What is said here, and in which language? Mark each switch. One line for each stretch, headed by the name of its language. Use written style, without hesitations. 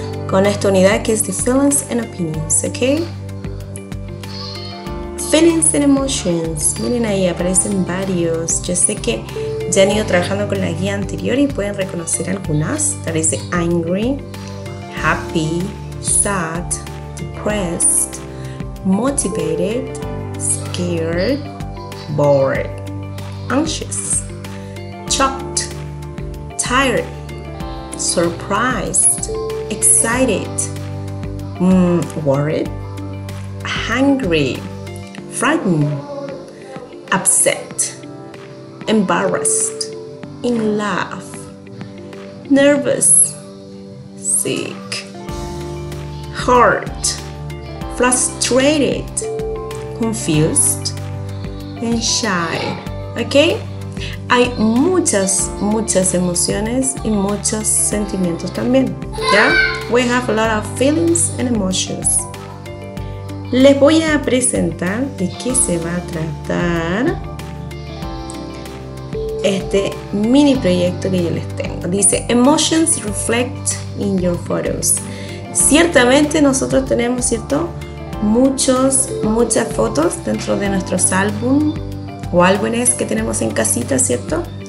Spanish: Con esta unidad que es de feelings and opinions, ¿ok? Feelings and emotions. Miren ahí, aparecen varios. Yo sé que ya han ido trabajando con la guía anterior y pueden reconocer algunas.
English: Aparece angry, happy, sad, depressed, motivated, scared, bored, anxious, shocked, tired, surprised, excited, worried, hungry, frightened, upset, embarrassed, in love, nervous, sick, hurt, frustrated, confused, and shy. Okay?
Spanish: Hay muchas emociones y muchos sentimientos también.
English: Yeah? We have a lot of feelings and emotions.
Spanish: Les voy a presentar de qué se va a tratar este mini proyecto que yo les tengo.
English: Dice, emotions reflect in your photos.
Spanish: Ciertamente nosotros tenemos, ¿cierto? Muchas fotos dentro de nuestros álbumes que tenemos en casita, ¿cierto?